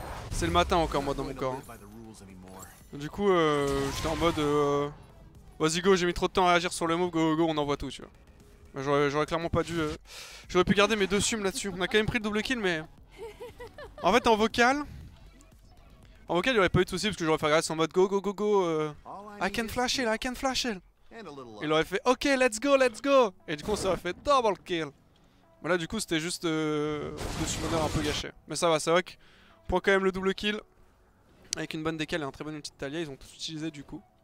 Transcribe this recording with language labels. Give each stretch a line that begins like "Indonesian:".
French: C'est le matin encore, moi dans mon corps. Hein. Du coup, j'étais en mode. Vas-y, go, j'ai mis trop de temps à réagir sur le move, go, go, go, on envoie tout, tu vois. Bah, j'aurais clairement pas dû. J'aurais pu garder mes deux sums là-dessus. On a quand même pris le double kill, mais. En fait, en vocal. En vocal, il aurait pas eu de soucis parce que j'aurais fait grâce en mode
English: go, go, go, go. I can flash heal, I can flash heal.
French: Il aurait fait
English: ok, let's go, let's go.
French: Et du coup, on s'aurait fait double kill. Mais là du coup c'était juste de summoner un peu gâché. Mais ça va, c'est vrai que on prend quand même le double kill. Avec une bonne décale et un très bon ulti de Talia, ils ont tout utilisé du coup.